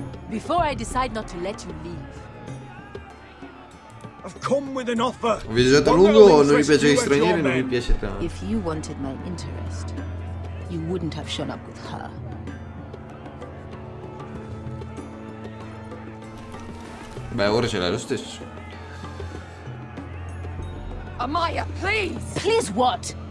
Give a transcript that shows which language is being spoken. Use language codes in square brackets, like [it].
[en] Before I decide not to let you leave. I've come with an offer. [it] Ho viaggiato a lungo, non mi piace gli stranieri, non mi piace tanto. [en] If you wanted my interest, you wouldn't have shown up with her. [it] Beh, ora ce l'hai lo stesso. [en] Amaya, please! Please what?